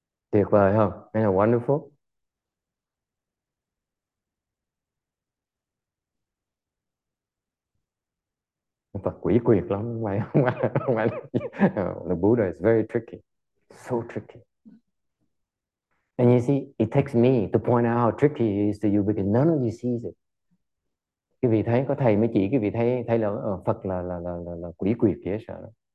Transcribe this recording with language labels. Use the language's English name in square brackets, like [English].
[Vietnamese] Tuyệt vời không? [English] Isn't that wonderful? [Vietnamese] Phật quỷ quyệt lắm, không phải. [English] The Buddha is very tricky, so tricky. And you see, it takes me to point out how tricky it is to you because none of you sees it. [Vietnamese] Cái vị thấy có thầy mới chỉ, cái vị thấy là Phật là quỷ quyệt dễ sợ đó.